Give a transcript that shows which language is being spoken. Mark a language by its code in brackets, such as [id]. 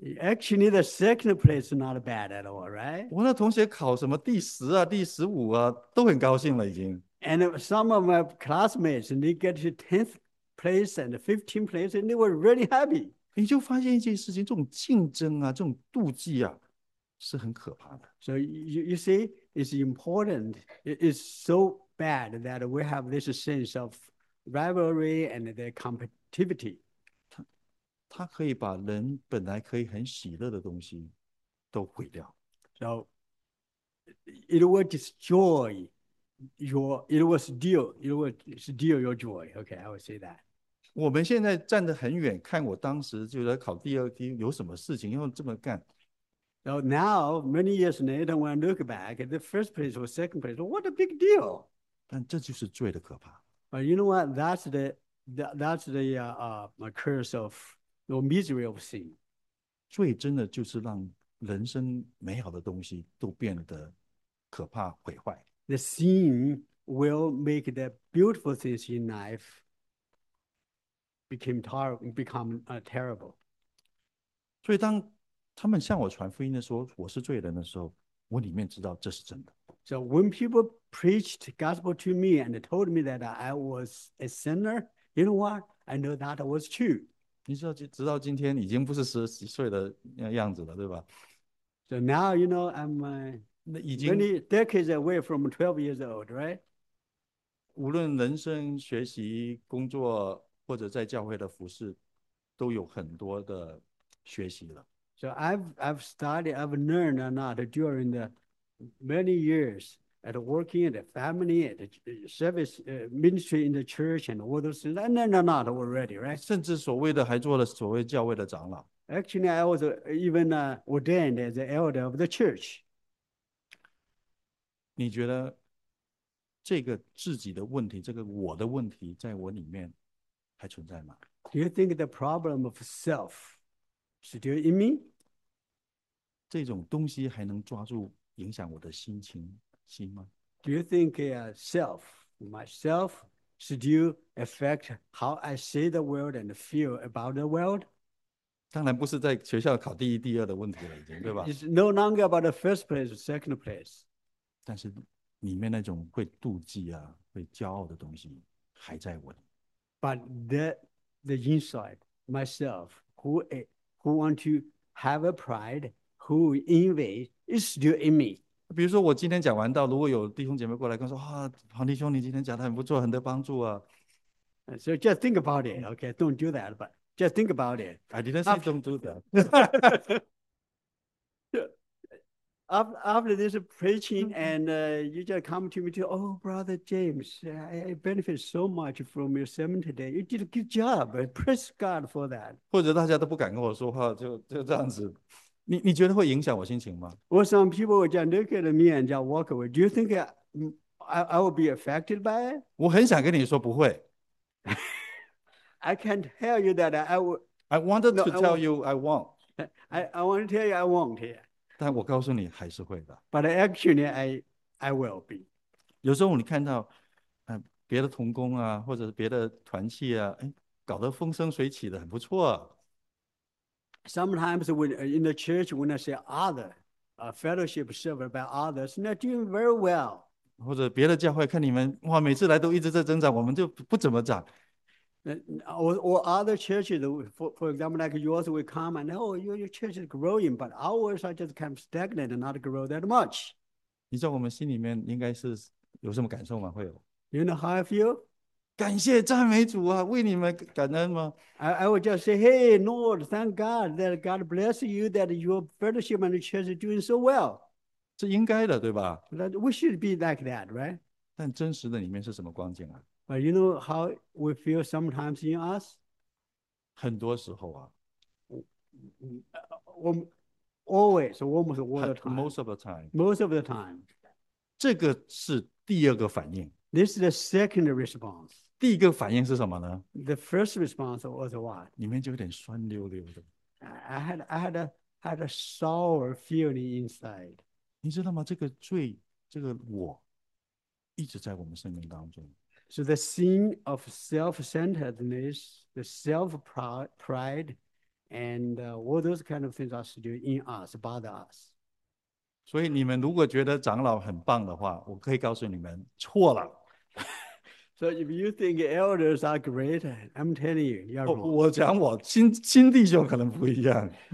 [en] ？Actually, the second place is not bad at all, right? [zh] 我那同学考什么第十啊、第十五啊，都很高兴了，已经。 [en] And some of my classmates, they get to 10th place and 15th place, and they were really happy. [zh] 你就发现一件事情，这种竞争啊，这种妒忌啊，是很可怕的。 [en] So you see, it's important. It's so bad that we have this sense of rivalry and the competitivity. [zh] 他可以把人本来可以很喜乐的东西都毁掉。 [en] So it will destroy your, it will steal your joy. Okay, I will say that. [zh] 我们现在站得很远，看我当时就在考第二题有什么事情要这么干。 [en] So now, many years later, when I look back at the first place or second place, what a big deal. [zh] 但这就是罪的可怕。 [en] But you know what? That's the curse of,No misery of sin. [zh] 罪真的就是让人生美好的东西都变得可怕毁坏。 [en] The sin will make the beautiful things in life become terrible. [zh] 所以当他们向我传福音的时候，我是罪人的时候，我里面知道这是真的。 [en] So when people preached gospel to me and told me that I was a sinner, you know what? I know that was true. [zh] 你知道，直到今天已经不是十几岁的样子了，对吧 [en] ？So now you know I'm many decades away from 12 years old, right? [zh] 无论人生、学习、工作，或者在教会的服事，都有很多的学习了。 [en] So I've studied, I've learned a lot during the many years at working at the family, at the service, ministry in the church, and all those things, and then not already, right? [zh] 甚至所谓的还做了所谓教会的长老。 [en] Actually, I was even ordained as the elder of the church. [zh] 你觉得这个自己的问题，这个我的问题，在我里面还存在吗 [en] ？Do you think the problem of self still in me? [zh] 这种东西还能抓住影响我的心情？ [en] Do you think self, myself, should you affect how I see the world and feel about the world? [zh] 当然不是在学校考第一、第二的问题了，已经，对吧？ [en] It's no longer about the first place, second place. [zh] 但是里面那种会妒忌啊、会骄傲的东西还在我里。 [en] But the inside, myself, who want to have a pride, who envy, is still in me. [zh] 比如说，我今天讲完道，如果有弟兄姐妹过来跟我说：“啊，黄弟兄，你今天讲得很不错，很得帮助啊。 [en] So just think about it, okay? Don't do that, but just think about it. ”I didn't say don't do that. After this preaching, and you just come to me to, oh, Brother James, I benefit so much from your sermon today. You did a good job. Praise God for that. [zh] 或者大家都不敢跟我说话，就这样子。你觉得会影响我心情吗？ [en] Well, some people will just look at me and just walk away. Do you think I will be affected by it? [zh] 我很想跟你说不会。 [en] I can't tell you that I will. I wanted No, to tell you I won't. I want to tell you I won't hear. [zh] 但我告诉你还是会的。 [en] But actually, I will be. [zh] 有时候你看到，别的同工啊，或者是别的团契啊，哎，搞得风生水起的，很不错啊。 [en] Sometimes in the church, when I say other, fellowship served by others, not doing very well. [zh] 或者别的教会看你们哇，每次来都一直在增长，我们就不怎么涨。 [en] Or other churches, for example, like yours, will come and oh, your church is growing, but ours are just kind of stagnant and not grow that much. [zh] 你知道我们心里面应该是有什么感受吗？会有 [en] You know how I feel? [zh] 感谢赞美主啊，为你们感恩吗？ [en] I would just say, hey, Lord, thank God that God bless you, that your fellowship and church is doing so well. [zh] 是应该的，对吧？ [en] That we should be like that, right? [zh] 但真实的里面是什么光景啊？ [en] But you know how we feel sometimes in us? [zh] 很多时候啊， [en] Always, almost all the time. most of the time， Most of the time. [zh] 这个是第二个反应。 [en] This is the second response. [zh] 第一个反应是什么呢？ [en] The first response was what? [zh] 里面就有点酸溜溜的。 [en] I had a sour feeling inside. [zh] 你知道吗？这个罪，这个我。一直在我们生命当中。 [en] So the sin of self-centeredness, the self-pride, and all those kind of things are still in us, bother us. [zh] 所以你们如果觉得长老很棒的话，我可以告诉你们错了。 [en] So if you think elders are great, I'm telling you, you are wrong. [zh] 我讲我亲弟兄可能不一样。